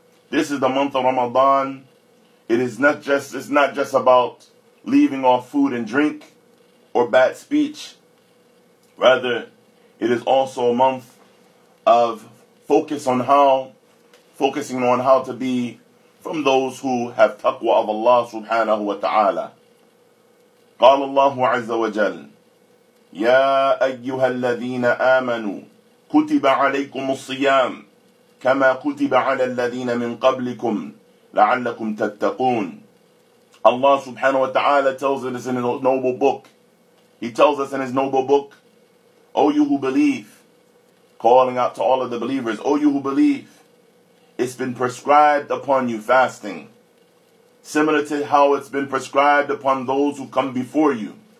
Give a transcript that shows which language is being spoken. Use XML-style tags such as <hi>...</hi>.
<en>This is the month of Ramadan. It's not just about leaving off food and drink or bad speech. Rather, it is also a month of focusing on how to be from those who have taqwa of Allah subhanahu wa ta'ala.</en> <ar>قال الله عز وجل يا أيها الذين آمنوا كتب عليكم الصيام كما كتب على الذين من قبلكم لعلكم تتقون.</ar> <en>Allah subhanahu wa ta'ala tells us in His noble book. He tells us in His noble book, O you who believe, calling out to all of the believers, O you who believe, it's been prescribed upon you fasting, similar to how it's been prescribed upon those who come before you.</en>